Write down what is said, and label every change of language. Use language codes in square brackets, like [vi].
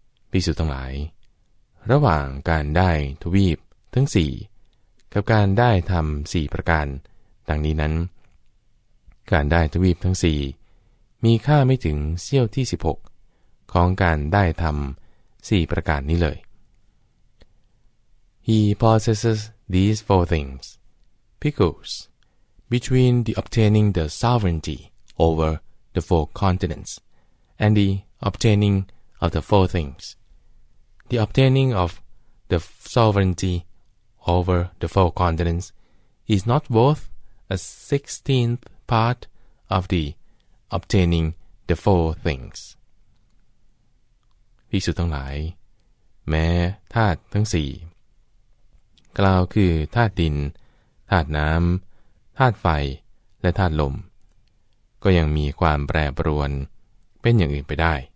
[th] ภิกษุทั้งหลายระหว่างการได้ทวีปทั้ง4กับการได้ทำ4ประการดังนี้นั้นการได้ทวีปทั้ง4มีค่าไม่ถึงเสี้ยวที่16ของการได้ทำ4ประการนี้เลย [en] He possesses these four things, Pickles, between the obtaining the sovereignty over the four continents and the obtaining of the four things. The obtaining of the sovereignty over the four continents is not worth a 16th part of the obtaining the four things. [th] ภิกษุทั้งหลายแม้ธาตุทั้ง4กล่าวคือธาตุดินธาตุน้ำธาตุไฟและธาตุลมก็ยังมีความแปรปรวนเป็นอย่างอื่นไปได้